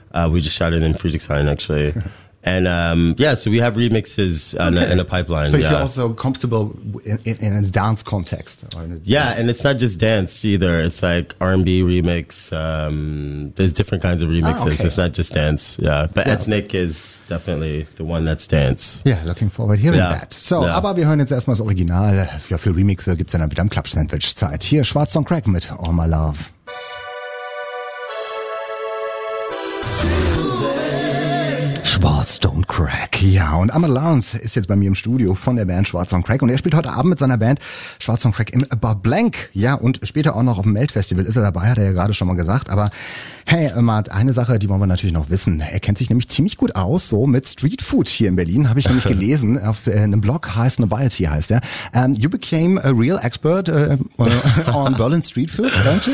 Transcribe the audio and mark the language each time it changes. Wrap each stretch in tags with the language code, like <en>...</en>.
<en>We just shot it in Friedrichshain, actually. And so we have remixes in the pipeline. So you're also comfortable in a dance context? And it's not just dance either. It's like R&B remix. There's different kinds of remixes. Ah, okay. It's not just dance. Yeah, but Ethnic is definitely the one that's dance. Yeah, looking forward to hearing that.</en> <de>So, aber wir hören jetzt erstmal das Original. Ja, für Remixe gibt's dann wieder im Club Sandwich Zeit. Hier Schwarz on Crack mit All My Love. Don't Crack. Ja, und Ahmad Lawrence ist jetzt bei mir im Studio von der Band Schwarz on Crack und er spielt heute Abend mit seiner Band Schwarz on Crack im About Blank. Ja, und später auch noch auf dem Melt-Festival ist er dabei, hat er ja gerade schon mal gesagt. Aber hey, Ahmad, eine Sache, die wollen wir natürlich noch wissen. Er kennt sich nämlich ziemlich gut aus, so mit Streetfood hier in Berlin, habe ich nämlich gelesen, auf einem Blog, heißt Nobiety, heißt er.</de> <en>You became a real expert on Berlin Streetfood, don't you?</en>